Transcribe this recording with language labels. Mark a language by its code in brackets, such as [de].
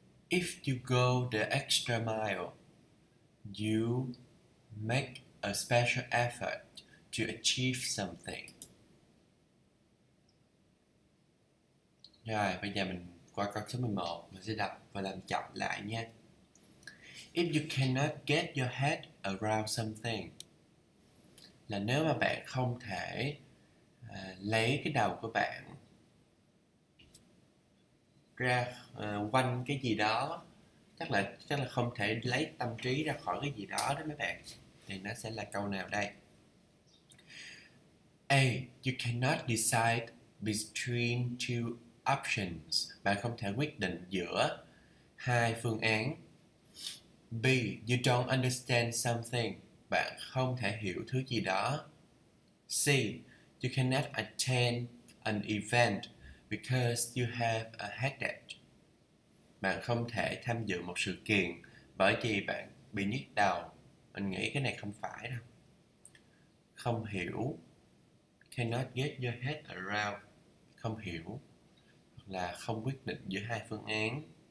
[en] If you go the extra mile, you make a special effort to achieve something. [vi] Rồi, bây giờ mình qua câu số 11, mình sẽ đọc và làm chậm lại nha. [en] If you cannot get your head around something, [vi] là nếu mà bạn không thể lấy cái đầu của bạn ra quanh cái gì đó, chắc là không thể lấy tâm trí ra khỏi cái gì đó đó mấy bạn, thì nó sẽ là câu nào đây? [en] A. You cannot decide between two options. [vi] Bạn không thể quyết định giữa hai phương án. B. [en] You don't understand something. [vi] Bạn không thể hiểu thứ gì đó. C. [en] You cannot attend an event because you have a headache. [vi] Bạn không thể tham dự một sự kiện bởi vì bạn bị nhức đầu. Mình nghĩ cái này không phải đâu. Không hiểu. [en] Cannot get your head around. [vi] Không hiểu. Là không quyết định giữa hai phương án.